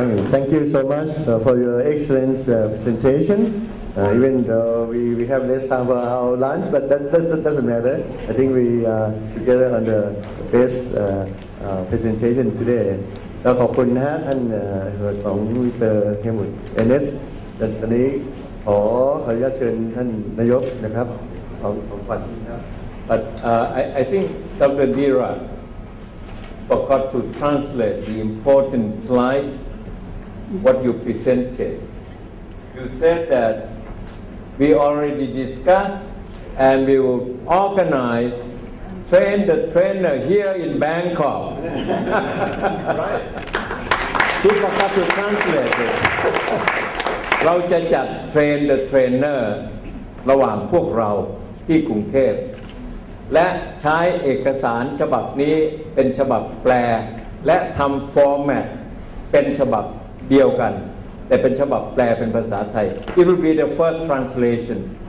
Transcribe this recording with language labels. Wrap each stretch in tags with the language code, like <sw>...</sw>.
<en>Thank you so much for your excellent presentation. Even though we have less time for our lunch, but that doesn't matter. I think we are together on the best presentation today.</en> <th>ขอบคุณนะฮะท่านของมิสเตอร์เฮมุตเอเนสตอนนี้ขออนุญาตเชิญท่านนายกนะครับของฝั่งนี้ครับ</th> <en>But I think Dr. Dira forgot to translate the important slide what you presented. You said that we already discussed and we will organize train the trainer here in Bangkok. Right. He forgot to translate it.</en> <th>เราจะจัด train the trainer ระหว่างพวกเราที่กรุงเทพและใช้เอกสารฉบับนี้เป็นฉบับแปลและทำ format เป็นฉบับเดียวกันแต่เป็นฉบับแปลเป็นภาษาไทย</th> <en>It will be the first translation.</en>